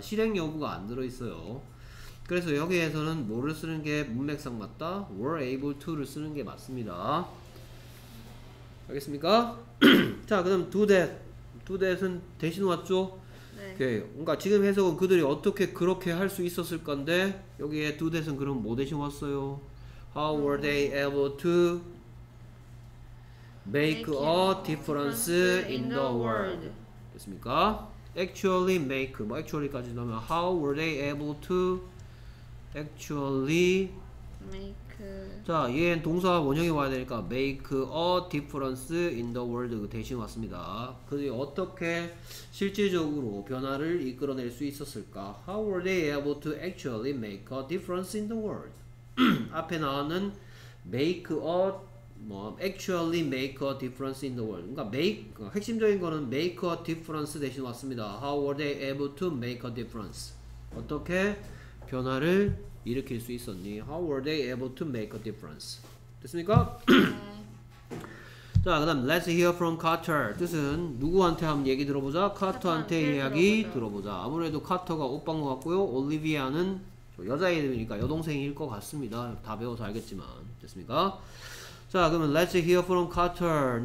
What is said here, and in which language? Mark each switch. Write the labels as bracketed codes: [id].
[ko] 실행 여부가 안 들어있어요. 그래서 여기에서는 뭐를 쓰는 게 문맥상 맞다? [en] were able to [ko] 를 쓰는 게 맞습니다. 알겠습니까? 자, 그 다음 do that은 대신 왔죠? 네. 오케이. 그러니까 지금 해석은 그들이 어떻게 그렇게 할 수 있었을 건데 여기에 do that은 그럼 뭐 대신 왔어요? [en] How were they able to make a difference in the world. [ko] 됐습니까? [en] Actually make. [ko] 뭐 actually까지 넣으면 [en] How were they able to actually make [ko] 자, 얘는 동사 원형이 와야 되니까 [en] make a difference in the world [ko] 대신 왔습니다. 그게 어떻게 실질적으로 변화를 이끌어낼 수 있었을까? [en] How were they able to actually make a difference in the world? [ko] 앞에 나오는 [en] make a 뭐 actually make a difference in the world. [ko] 그러니까 make 핵심적인 거는 [en] make a difference [ko] 대신 왔습니다. [en] How were they able to make a difference? [ko] 어떻게 변화를 일으킬 수 있었니? [en] How were they able to make a difference? [ko] 됐습니까? 자, 그다음 [en] let's hear from Carter. [ko] 뜻은 누구한테 한번 얘기 들어보자. 카터한테 이야기 들어보자. 아무래도 카터가 오빠인 것 같고요. 올리비아는 여자 이름이니까 여동생일 것 같습니다. 다 배워서 알겠지만, 됐습니까? 자, 그러면 [en] let's hear from Carter.